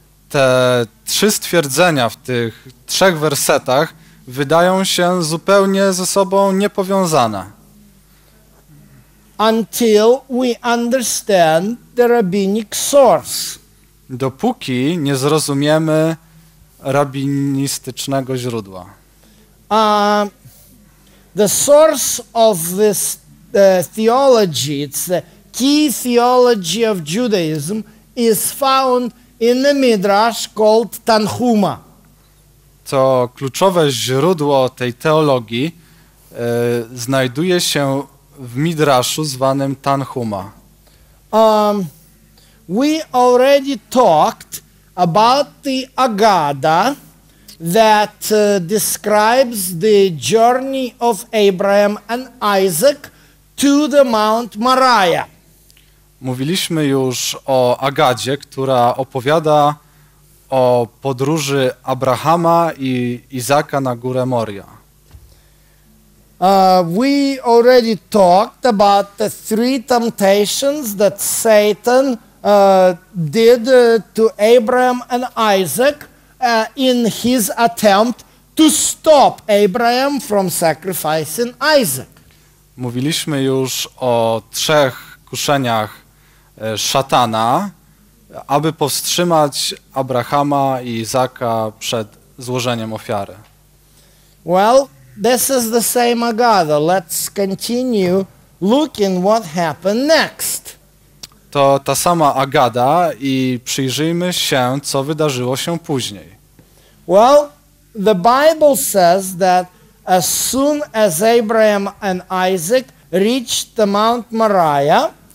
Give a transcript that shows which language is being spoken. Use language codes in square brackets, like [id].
[pl] Te trzy stwierdzenia w tych trzech wersetach wydają się zupełnie ze sobą niepowiązane. [en] Until we understand the rabbinic source. [pl] Dopóki nie zrozumiemy rabinistycznego źródła. [en] The source of this theology, it's the key theology of Judaism, is found in the Midrash called Tanhuma. [pl] To kluczowe źródło tej teologii znajduje się w Midraszu zwanym Tanhuma. [en] We already talked about the Agada that describes the journey of Abraham and Isaac to the Mount Moriah. [pl] Mówiliśmy już o Agadzie, która opowiada o podróży Abrahama i Izaka na górę Moria. [en] We already talked about the three temptations that Satan did to Abraham and Isaac in his attempt to stop Abraham from sacrificing Isaac. [pl] Mówiliśmy już o trzech kuszeniach szatana, aby powstrzymać Abrahama i Izaka przed złożeniem ofiary. [en] Well, this is the same Agada. Let's continue looking what happened next. [pl] To ta sama Agada i przyjrzyjmy się, co wydarzyło się później. [en] Well, the Bible says that as soon as Abraham and Isaac reached the Mount Moriah,